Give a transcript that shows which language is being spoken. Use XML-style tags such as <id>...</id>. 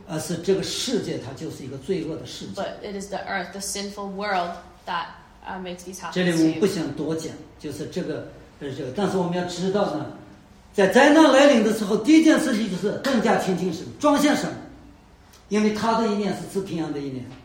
<zh>而是这个世界它就是一个罪恶的世界。</zh> <en>But it is the earth, the sinful world that makes these happen to you.</en> <zh>这里我们不想多讲，就是这个，但是我们要知道呢。在灾难来临的时候，第一件事情就是更加亲近神，装向神，因为他的意念是赐平安的意念。</zh>